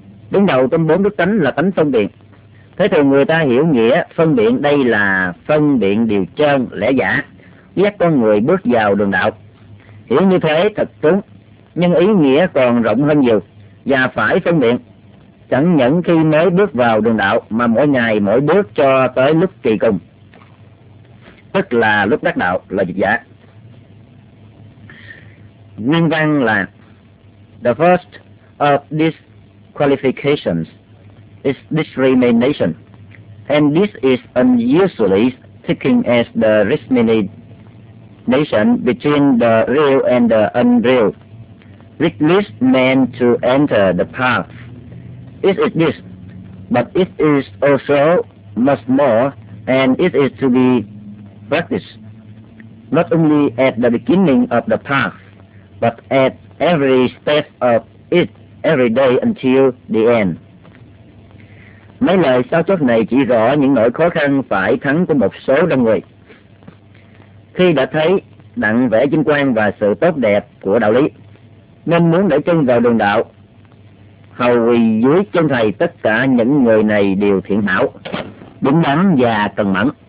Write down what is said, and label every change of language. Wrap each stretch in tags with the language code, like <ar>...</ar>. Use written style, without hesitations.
<vi>Đứng đầu trong bốn đức tánh là tánh phân biện. Thế thường người ta hiểu nghĩa phân biện đây là phân biện điều chân lẽ giả, dắt con người bước vào đường đạo. Hiểu như thế thật đúng, nhưng ý nghĩa còn rộng hơn nhiều. Và phải phân biện chẳng những khi mới bước vào đường đạo, mà mỗi ngày mỗi bước cho tới lúc kỳ cùng, tức là lúc đắc đạo, là dịch giả. Nguyên văn là:</vi> <en>the first of these qualifications is discrimination, and this is unusually taken as the discrimination between the real and the unreal, which leads men to enter the path. It is this, but it is also much more, and it is to be practice, not only at the beginning of the path, but at every step of it, every day until the end.</en> <vi>Mấy lời sao chốt này chỉ rõ những nỗi khó khăn phải thắng của một số đông người. Khi đã thấy đặng vẻ vinh quang và sự tốt đẹp của đạo lý, nên muốn để chân vào đường đạo, hầu quỳ dưới chân thầy, tất cả những người này đều thiện hảo, đúng đắn và cần mẫn.</vi>